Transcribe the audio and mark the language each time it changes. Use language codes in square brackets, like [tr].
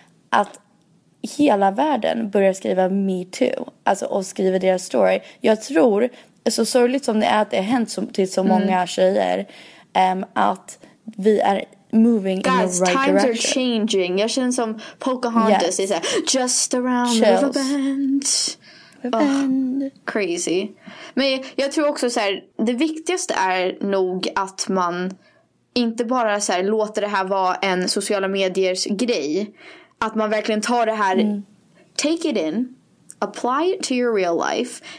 [sv] Att hela världen börjar skriva me too. Alltså, och skriver deras story. Jag tror, så sorgligt som det är att det har hänt till så många tjejer, att vi är moving [en] guys, in the right times direction. Are changing. [sv] Jag känner som Pocahontas. [en] Yes. Här, just around the river bend. Crazy. [sv] Men jag tror också så här, det viktigaste är nog att man inte bara så här, låter det här vara en sociala mediers grej. Att man verkligen tar det här, [en] take it in, apply it to your real life.